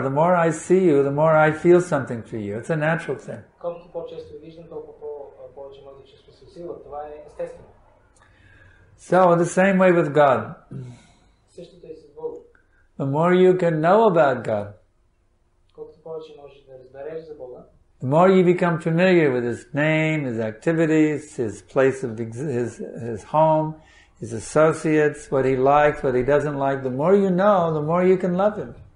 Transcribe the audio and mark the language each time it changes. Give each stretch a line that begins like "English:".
English: The more I see you, the more I feel something for you. It's a natural thing.
Bulgarian: Колкото по-често виждам, толкова повече може да чувствам се усилва. Това е естествено.
English: So in the same way with God.
Bulgarian: Същото е с Бога.
English: The more you can know about God.
Bulgarian: Колкото повече можеш да разбереш за Бога.
English: The more you become familiar with his name, his activities, his place of his home, his associates, what he likes, what he doesn't like, the more you know, the more you can love him.